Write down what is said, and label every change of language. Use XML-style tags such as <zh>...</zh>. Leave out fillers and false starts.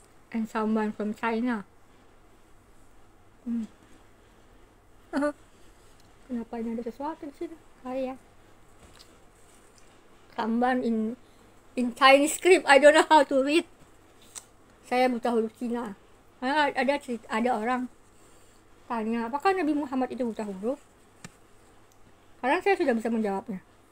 <en>And someone from China.</en> <id>Kenapa ini ada sesuatu di sini? Kali ya.</id> <en>Someone in Chinese script. I don't know how to read.</en> <id>Saya buta huruf Cina. Ada orang tanya, apakah Nabi Muhammad itu buta huruf? Sekarang saya sudah bisa menjawabnya.</id>